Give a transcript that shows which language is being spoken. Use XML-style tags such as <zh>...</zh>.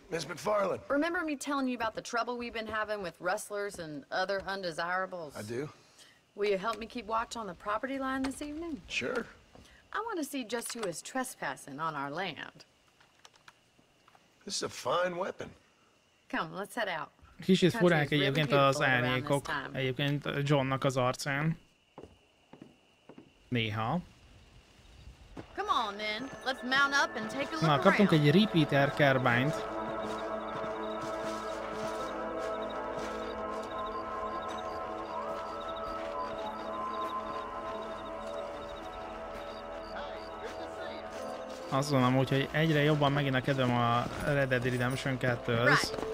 <en>Miss McFarland. Remember me telling you about the trouble we've been having with rustlers and other undesirables? I do. Will you help me keep watch on the property line this evening? Sure. I want to see just who is trespassing on our land. This is a fine weapon. Come, let's head out.</en> <hu>Kicsit furák egyébként az árnyékok, egyébként Johnnak az arcán. Néha.</hu> <en>Come on then, let's mount up and take a look.</en> <hu>Na, kaptunk egy repeater carbine-t. Azt mondom, hogy egyre jobban megint a kedvem a Red Dead Redemption 2-höz.</hu>